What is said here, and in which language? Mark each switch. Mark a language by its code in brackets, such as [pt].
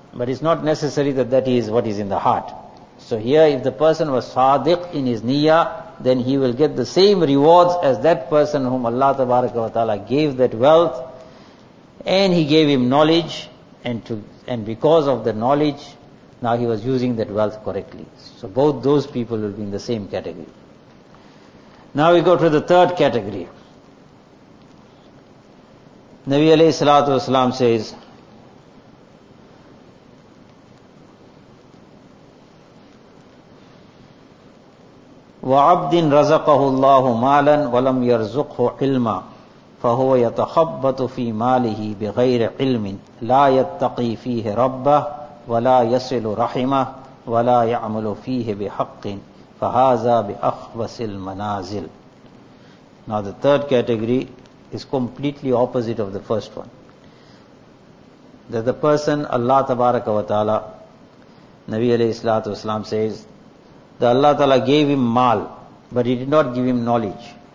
[en] But it's not necessary that that is what is in the heart. So here, if the person was sadiq in his niyyah, then he will get the same rewards as that person whom Allah tabaraka wa ta'ala gave that wealth, and he gave him knowledge, and because of the knowledge, now he was using that wealth correctly. So both those people will be in the same category. Now we go to the third category. [ar] Nabi alayhi salatu wasalam says, وَعَبْدٍ رَزَقَهُ اللَّهُ مَالًا وَلَمْ يَرْزُقْهُ عِلْمًا فَهُوَ يَتَخَبَّتُ فِي مَالِهِ بِغَيْرِ عِلْمٍ لَا يَتَّقِي فِيهِ رَبَّهُ وَلَا يَصِلُ رَحِمَهُ وَلَا يَعْمَلُ فِيهِ بِحَقٍّ فَهَذَا بِأَخْبَثِ الْمَنَازِلِ. [en] Now the third category is completely opposite of the first one. That the person, Allah tabaraka wa ta'ala, Nabi alayhi salatu wasalam says, that Allah ta'ala gave him maal, but he did not give him knowledge.